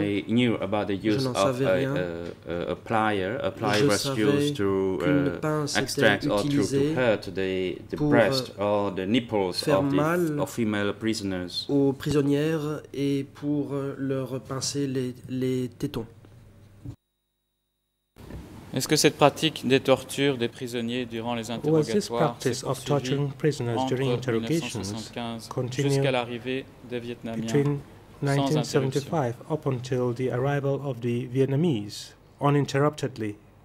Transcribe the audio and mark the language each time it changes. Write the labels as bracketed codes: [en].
[en] I knew about the use of a plier. A plier was used to extract or to hurt the breast or the nipples of female prisoners. [fr] Aux prisonnières et pour leur pincer les tétons. Est-ce que cette pratique des tortures des prisonniers durant les interrogatoires s'est poursuivie entre 1975 jusqu'à l'arrivée des Vietnamiens sans interruption? [en] Up until the arrival of the Vietnamese, uninterruptedly.